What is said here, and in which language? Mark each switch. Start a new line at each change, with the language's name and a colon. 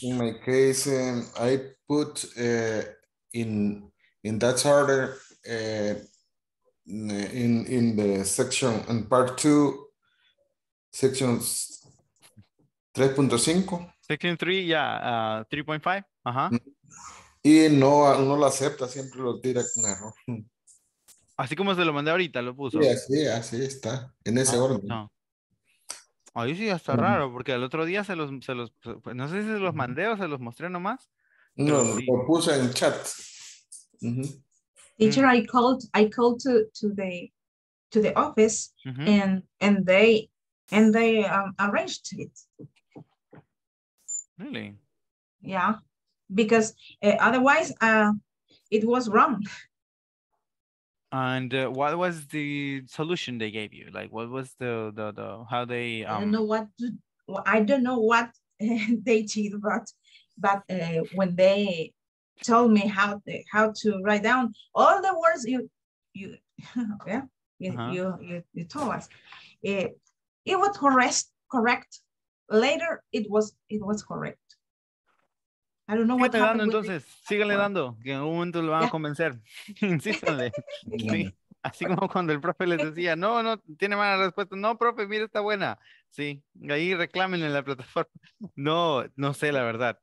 English: In my case, I put in that order in the section in part two, sections 3.5. Uh-huh.
Spanish: Y no lo acepta, siempre lo tira con error. Así como se lo mandé ahorita, lo puso. Sí, así está, en ese orden. No. Ahí sí, está raro, porque el otro día se los pues, no sé si se los mandé o se los mostré nomás. No, sí. Lo puse en chat.
English: Teacher, mm-hmm. I called to the office, mm-hmm. and they arranged it. Really? Yeah, because otherwise it was wrong. And what was the solution they gave you? Like, what was the how they? I don't know what they did, but when they told me how to write down all the words you told us, it was correct. Later, it was correct. I don't know what happened.
Spanish: Entonces, síganle dando, que en algún momento lo van a convencer. Insístanle. Sí. Así como cuando el profe les decía, no, tiene mala respuesta. No, profe, mira, está buena. Sí, ahí reclamen en la plataforma. No sé, la verdad.